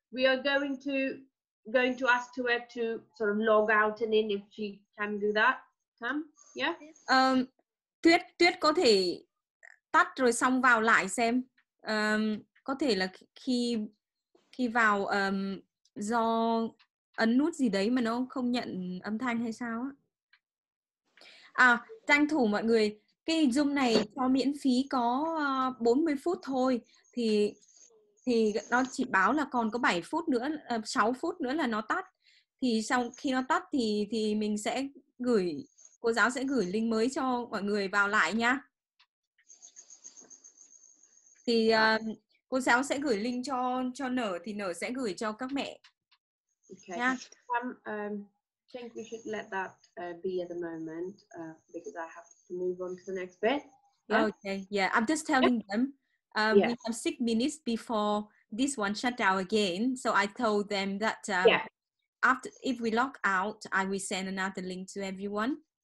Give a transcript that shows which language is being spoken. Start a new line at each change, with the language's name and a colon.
English: We are going to ask to it to sort of log out and in if she can do that. Come. Yeah.
Vietnamese: Tuyết có thể tắt rồi xong vào lại xem. Có thể là khi vào do ấn nút gì đấy mà nó không nhận âm thanh hay sao á. À, tranh thủ mọi người, cái Zoom này cho miễn phí có 40 phút thôi thì nó chỉ báo là còn có 7 phút nữa 6 phút nữa là nó tắt. Thì sau khi nó tắt thì mình sẽ gửi cô giáo sẽ gửi link mới cho mọi người vào lại nhá. Thì cô giáo sẽ gửi link cho Nở thì Nở sẽ gửi cho các mẹ.
English: Okay. Yeah. I think we should let that be at the moment because I have to move on to the next bit. Yeah? Okay. Yeah, I'm just telling them we have 6 minutes before this one shut down again. So I told them that if we log out, I will send another link to everyone.